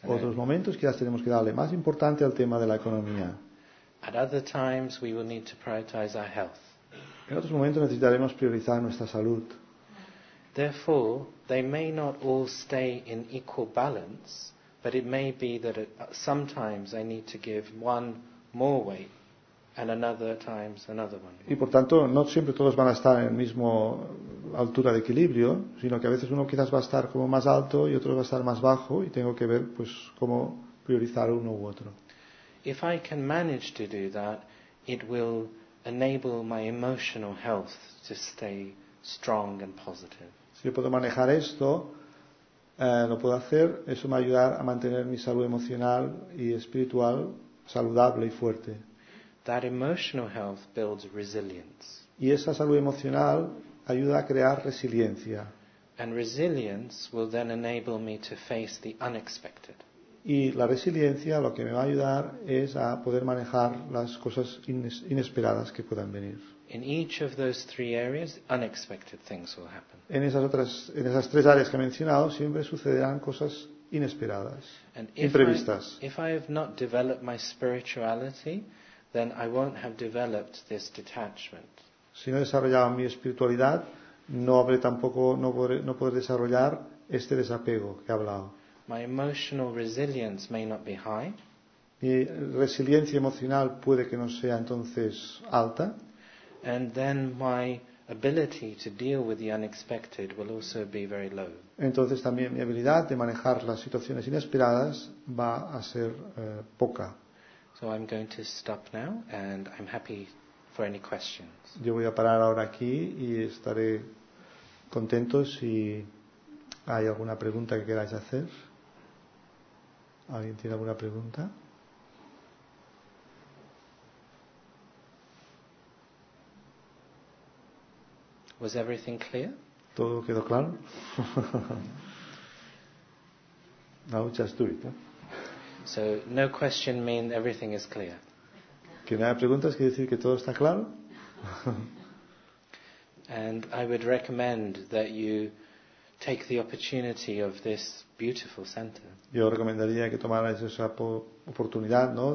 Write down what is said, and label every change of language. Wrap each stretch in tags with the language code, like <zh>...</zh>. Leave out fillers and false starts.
<es>Otros momentos quizás tenemos que darle más importancia al tema de la economía.</es> <en>At other times, we will need to prioritize our health.</en> <es>En otros momentos necesitaremos priorizar nuestra salud.</es> <en>Therefore, they may not all stay in equal balance, but it may be that sometimes I need to give one more weight and another times another one.</en> <es>Y por tanto, no siempre todos van a estar en el mismo altura de equilibrio, sino que a veces uno quizás va a estar como más alto y otro va a estar más bajo y tengo que ver pues cómo priorizar uno u otro.</es> <en>If I can manage to do that, it will enable my emotional health to stay strong and positive.</en> <es>Si yo puedo manejar esto, lo puedo hacer, eso me ayudará a mantener mi salud emocional y espiritual saludable y fuerte.</es> <en>That emotional health builds resilience.</en> <es>Y esa salud emocional ayuda a crear resiliencia.</es> <en>And resilience will then enable me to face the unexpected.</en> <es>Y la resiliencia lo que me va a ayudar es a poder manejar las cosas inesperadas que puedan venir.</es> <en>In each of those three areas, unexpected things will happen.</en> <es>En esas tres áreas que he mencionado, siempre sucederán cosas inesperadas, imprevistas.</es> <en>If I have not developed my spirituality, then I won't have developed this detachment.</en> <es>Si no he desarrollado mi espiritualidad, no podré desarrollar este desapego que he hablado.</es> <en>My emotional resilience may not be high.</en> <es>Mi resiliencia emocional puede que no sea entonces alta.</es> <en>And then my ability to deal with the unexpected will also be very low.</en> <es>Entonces también mi habilidad de manejar las situaciones inesperadas va a ser poca.</es> <en>So I'm going to stop now and I'm happy for any questions.</en> <es>Yo voy a parar ahora aquí y estaré contento si hay alguna pregunta que queráis hacer. ¿Alguien tiene alguna pregunta?</es> <en>Was everything clear?</en> <es>Todo quedó claro.</es> <en>Now just do it. So no question means everything is clear.</en> <es>Que no haya preguntas quiere decir que todo está claro.</es> <en>And I would recommend that you take the opportunity of this beautiful center.</en> <es>Yo recomendaría que tomaras esa oportunidad, ¿no?</es>